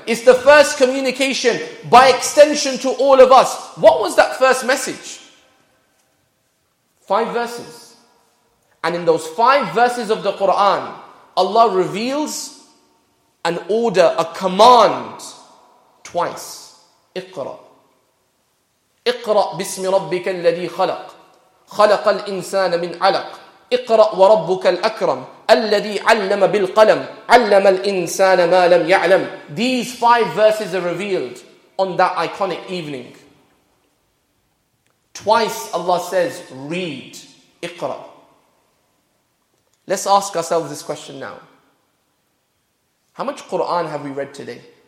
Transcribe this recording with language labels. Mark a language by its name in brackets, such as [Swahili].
[English] It's the first communication by extension to all of us. What was that first message? Five verses. And in those five verses of the Quran, Allah reveals an order, a command, twice. [Arabic] Iqra. اقرا باسم ربك الذي خلق خلق الانسان من علق اقرا وربك الاكرم الذي علم بالقلم علم الانسان ما لم يعلم. [English] These five verses are revealed on that iconic evening. Twice Allah says read, اقرا. Let's ask ourselves this question now. How much Quran have we read today?